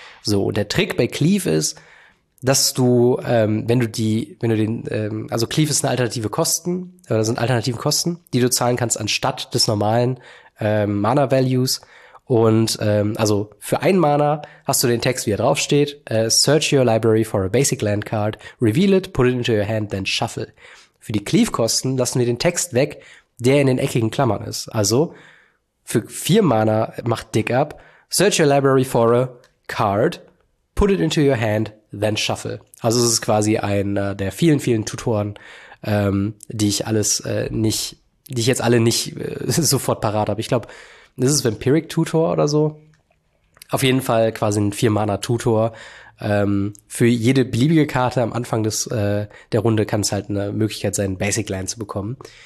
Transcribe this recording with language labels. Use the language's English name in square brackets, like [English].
[German] So, und der Trick bei Cleave ist, dass du, wenn du den, also Cleave ist eine alternative Kosten, oder sind alternative Kosten, die du zahlen kannst anstatt des normalen Mana Values. Und also für einen Mana hast du den Text, wie er draufsteht. [English] Search your library for a basic land card. Reveal it, put it into your hand, then shuffle. [German] Für die Cleave-Kosten lassen wir den Text weg, der in den eckigen Klammern ist. Also für vier Mana macht Dig Up. [English] Search your library for a card. Put it into your hand, then shuffle. [German] Also es ist quasi einer der vielen, vielen Tutoren, die ich jetzt alle nicht sofort parat habe. Ich glaube, das ist Vampiric Tutor oder so. Auf jeden Fall quasi ein 4-Mana-Tutor. Für jede beliebige Karte am Anfang der Runde kann es halt eine Möglichkeit sein, Basic Land zu bekommen.